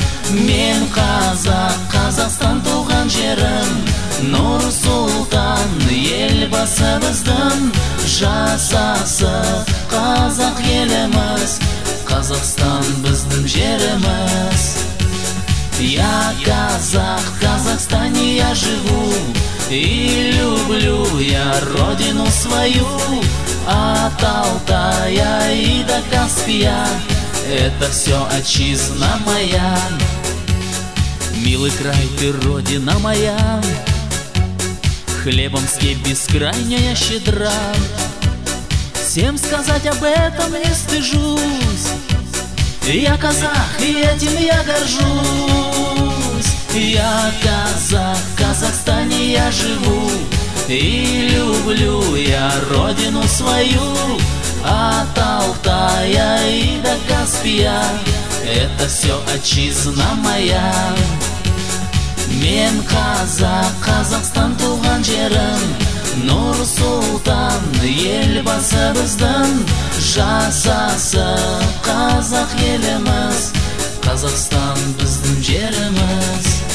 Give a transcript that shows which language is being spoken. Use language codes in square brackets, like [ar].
[kk] Мен қазақ, Қазақстан туған жерім. Нұрсұлтан елбасы біздің. Жасасы қазақ еліміз. Қазақстан біздің жеріміз. [ru] Я казах, в Казахстане я живу. И люблю я родину свою. От Алтая и до Каспия это все отчизна моя. Милый край, ты родина моя. Хлебом степь бескрайняя щедра. Всем сказать об этом не стыжусь. Я казах, и этим я горжусь. Я казах, в Казахстане я живу. И люблю я родину свою. От Алтая и до Каспия это все отчизна моя. [kk] Мен казах, Казахстан туған жерім. Нұрсұлтан елбасы біздің. Жасасы қазақ еліміз. Қазақстан біздің жеріміз.